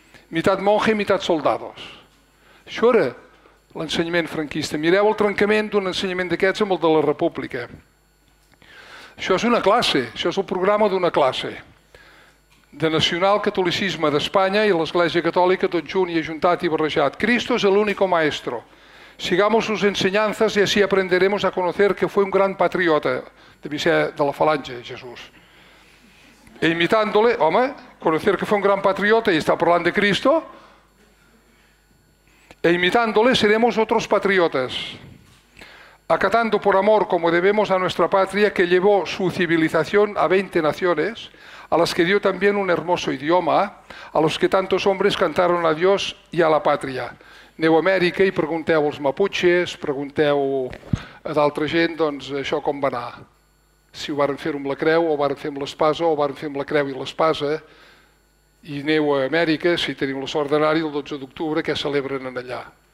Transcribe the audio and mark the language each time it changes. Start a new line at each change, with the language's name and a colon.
Catalan: Mitat monje, mitat soldados. Això era l'ensenyament franquista. Mireu el trencament d'un ensenyament d'aquests amb el de la República. Això és una classe, això és el programa d'una classe de nacional catolicisme d'Espanya i l'Església Catòlica tot junt i ajuntat i barrejat.
Spanish: Cristo es el único maestro. Sigamos sus enseñanzas y así aprenderemos a conocer que fue un gran patriota.
Catalan: Devia ser de la falange, Jesús.
Spanish: E imitándole, home, conocer que fue un gran patriota
Catalan: i està parlant de Cristo,
Spanish: e imitándole seremos otros patriotas, acatando por amor como debemos a nuestra patria que llevó su civilización a 20 naciones, a las que dio también un hermoso idioma, a los que tantos hombres cantaron a Dios y a la patria.
Catalan: Aneu a Amèrica i pregunteu als maputxes, pregunteu a d'altra gent, doncs això com va anar, si ho varen fer amb la creu o varen fer amb l'espasa o varen fer amb la creu i l'espasa. I aneu a Amèrica, si teniu la sort d'anar-hi, el 12 d'octubre, què celebren allà?